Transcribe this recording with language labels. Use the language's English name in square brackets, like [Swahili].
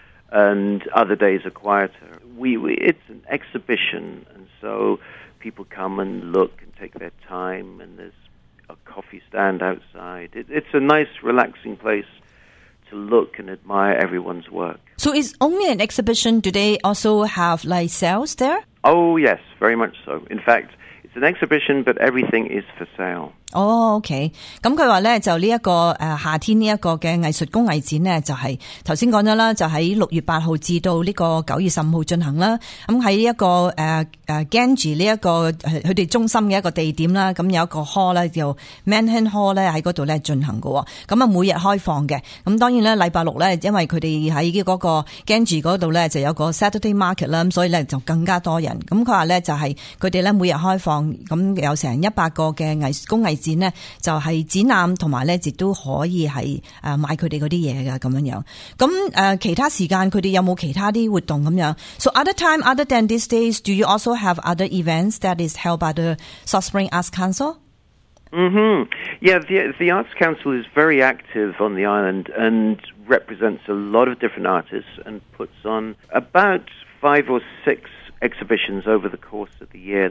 [English] And other days are quieter. It's an exhibition, and so people come and look and take their time, and there's a coffee stand outside. It's a nice, relaxing place to look and admire everyone's work. So it's only an exhibition. Do they also have, like, sales there? Oh, yes, very much so. In fact... It's an exhibition, but everything is for sale. Oh, okay. [Cantonese] 咁佢话咧就呢一个夏天呢一个嘅艺术工艺展咧，就系头先讲咗啦，就喺6月8号至到呢个9月15号进行啦。咁喺呢一个Ganges 呢一个佢哋中心嘅一个地点啦，咁有一个 hall 咧叫 Manhattan Hall 咧喺嗰度咧进行噶。咁啊每日开放嘅。咁当然咧礼拜六咧，因为佢哋喺嗰个 Ganges 嗰度咧就有个 Saturday Market 啦，咁所以咧就更加多人。咁佢话咧就系佢哋咧每日开放，咁有成100个嘅艺工艺展。展咧，就系、是、展览同埋咧，亦都可以系买佢哋嗰啲嘢噶咁样样。咁其他时间佢哋有冇其他啲活动咁样 [English] ？So other time other than these days, do you also have other events that is held by the South Spring Arts Council？ Mm-hmm. Yeah, the Arts Council is very active on the island and represents a lot of different artists and puts on about five or six exhibitions over the course of the year.